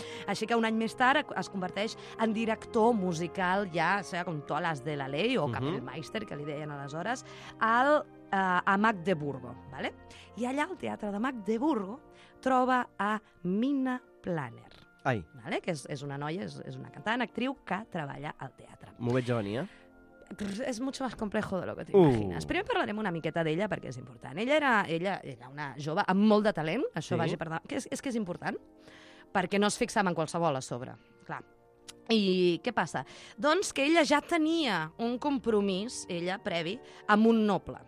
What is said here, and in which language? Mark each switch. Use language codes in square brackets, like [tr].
[ca] Així que un any més tard es converteix en director musical ja, o sigui, com totes les de la [es] ley [ca] o Kapellmeister, que li deien aleshores, al, a Magdeburgo. Vale? I allà, al teatre de Magdeburgo, troba a Minna Planer. Ai. Vale? Que és una noia, és una cantant, actriu, que treballa al teatre. M'ho veig a venir, eh? És [es] mucho más complejo de lo que te imaginas. [ca] Primer parlarem una miqueta d'ella, perquè és important. Ella era una jove amb molt de talent, això sí. Vagi per davant. És que és important, perquè no es fixava en qualsevol a sobre. Clar. I què passa? Doncs que ella ja tenia un compromís, ella, previ, amb un noble.